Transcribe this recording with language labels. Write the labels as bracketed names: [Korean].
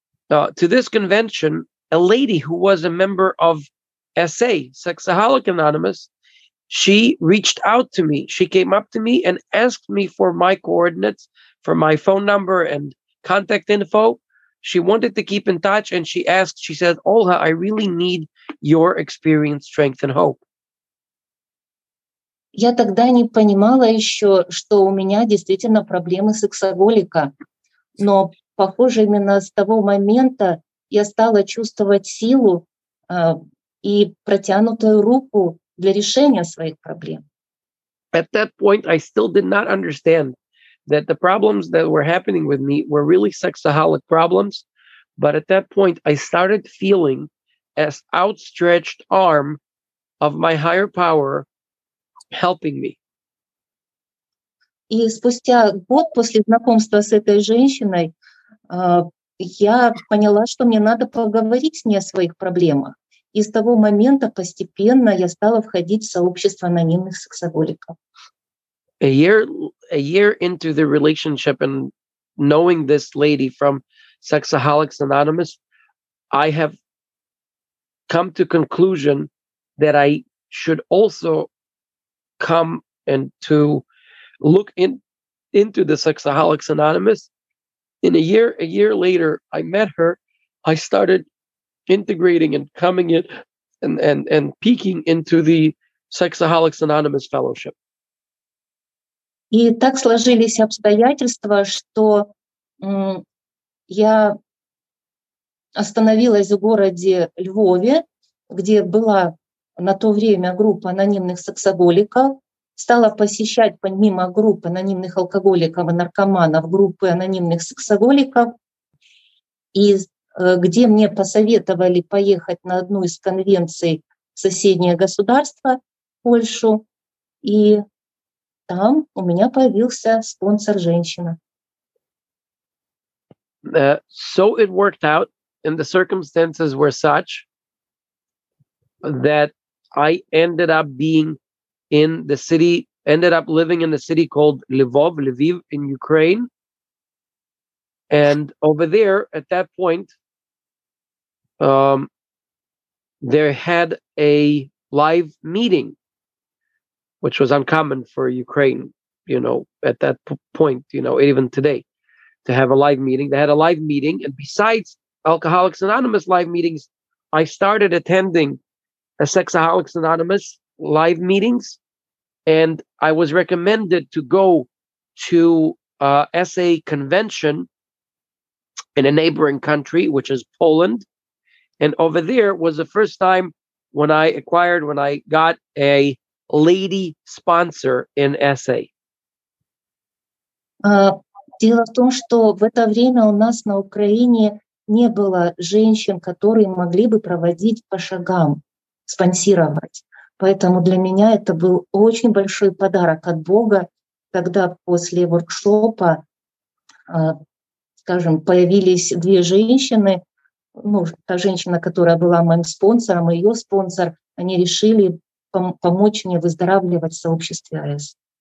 [English] To this convention, a lady who was a member of SA, Sexaholic Anonymous, she reached out to me. She came up to me and asked me for my coordinates, for my phone number and contact info. She wanted to keep in touch, and she said, Olha, I really need your experience, strength, and hope. [Russian] Я тогда не понимала еще, что у меня действительно проблемы сексоголика. Но, похоже, именно с того момента я стала чувствовать силу и протянутую руку для решения своих проблем. [English] At that point, I still did not understand that the problems that were happening with me were really sexaholic problems. But at that point, I started feeling as outstretched arm of my higher power helping me. [Russian] И спустя год после знакомства с этой женщиной, я поняла, что мне надо поговорить с ней о своих проблемах. И с того момента постепенно я стала входить в сообщество анонимных сексоголиков. [English] A year into the relationship and knowing this lady from Sexaholics Anonymous, I have come to conclusion that I should also come and to look into the Sexaholics Anonymous. In a year later, I met her. I started integrating and coming in and peeking into the Sexaholics Anonymous Fellowship. [Russian] И так сложились обстоятельства, что я остановилась в городе Львове, где была на то время группа анонимных сексоголиков, стала посещать помимо группы анонимных алкоголиков и наркоманов группы анонимных сексоголиков, и где мне посоветовали поехать на одну из конвенций в соседнее государство, Польшу, и там у меня появился спонсор женщина. [English] So it worked out, and the circumstances were such that I ended up living in the city called Lviv in Ukraine. And over there, at that point, there had a live meeting, which was uncommon for Ukraine, you know, at that point, you know, even today, to have a live meeting. They had a live meeting. And besides Alcoholics Anonymous live meetings, I started attending a Sexaholics Anonymous live meetings. And I was recommended to go to SA convention in a neighboring country, which is Poland. And over there was the first time when I got a lady sponsor in SA. [Russian] Дело в том, что в это время у нас на Украине не было женщин, которые могли бы проводить по шагам, спонсировать. Поэтому для меня это был очень большой подарок от Бога, когда после воркшопа, скажем, появились две женщины, ну, та женщина, которая была моим спонсором, и ее спонсор, они решили помочь мне выздоравливать в сообществе АЭС.